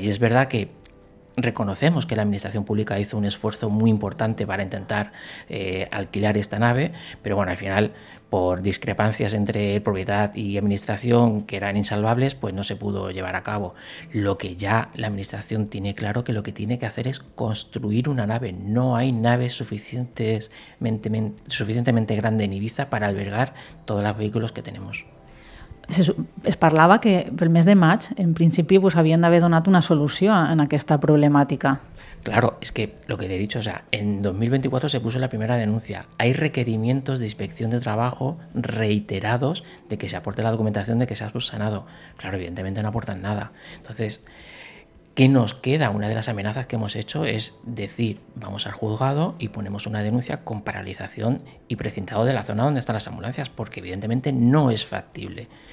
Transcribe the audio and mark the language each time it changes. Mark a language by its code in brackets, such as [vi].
[es] Y es verdad que reconocemos que la administración pública hizo un esfuerzo muy importante para intentar alquilar esta nave, pero bueno, al final, por discrepancias entre propiedad y administración que eran insalvables, pues no se pudo llevar a cabo. Lo que ya la administración tiene claro que lo que tiene que hacer es construir una nave. No hay nave suficientemente grande en Ibiza para albergar todos los vehículos que tenemos. [ca] Es parlava que pel mes de maig, en principi, pues, havien d'haver donat una solució en aquesta problemàtica. [es] Claro, es que lo que te he dicho, o sea, en 2024 se puso la primera denuncia. Hay requerimientos de inspección de trabajo reiterados de que se aporte la documentación de que se ha subsanado. Claro, evidentemente no aportan nada. Entonces, ¿qué nos queda? Una de las amenazas que hemos hecho es decir, vamos al juzgado y ponemos una denuncia con paralización y precintado de la zona donde están las ambulancias, porque evidentemente no es factible.